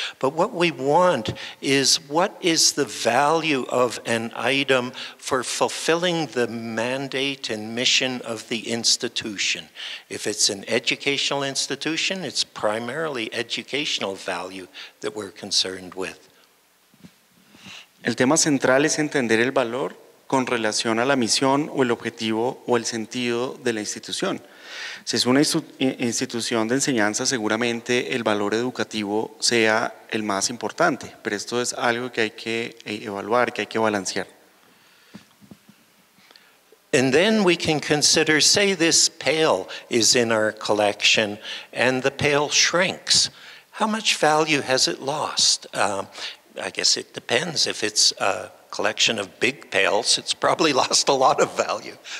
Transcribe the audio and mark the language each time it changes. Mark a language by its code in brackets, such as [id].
[en] But what we want is, what is the value of an item for fulfilling the mandate and mission of the institution? If it's an educational institution, it's primarily educational value that we're concerned with. [es] El tema central es entender el valor con relación a la misión o el objetivo o el sentido de la institución. Si es una institución de enseñanza, seguramente el valor educativo sea el más importante, pero esto es algo que hay que evaluar, que hay que balancear. [en] And then we can consider, say this pail is in our collection and the pail shrinks. How much value has it lost? I guess it depends. If it's a collection of big pails, it's probably lost a lot of value.